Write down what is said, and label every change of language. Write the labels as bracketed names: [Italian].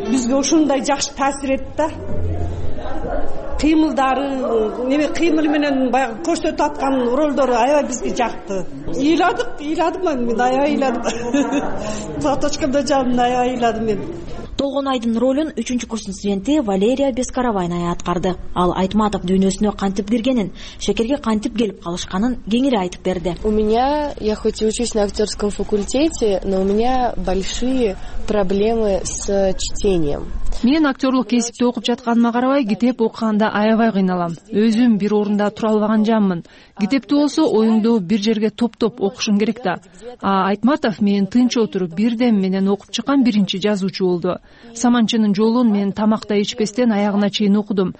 [Kyrgyz] Бизге ошондой жакшы таасир этти да. Кыймылдары, неме кыймыл менен баягы көрсөтүп аткан ролдору аябай бизге жакты. Ыйладык мен аябай ыйладым. Платочкамда жанымда аябай ыйладым мен. Толгонайдын ролун 3-чү курстун студенти Валерия Бескаровайна аткарды. Ал Айтматов дүйнөсүнө кантип киргенин, Шекерге кантип келип калышканын кеңири айтып берди. [Russian] У меня, я хоть и учусь на актерском факультете, но у меня большие проблемы с чтением. [Kyrgyz] Мен актерлук кесипти окуп жатканыма карабай, китеп окуганда аябай кыйналам. Өзүм бир орунда тура албаган жанмын. Китепти болсо, оюңду бир жерге топтоп окушуң керек да. А Айтматов мен тынч отуруп, бирдем менен окуп чыккан биринчи жазуучу болду. Саманчынын жолун мен тамакта ичпестен аягына чейин окудум.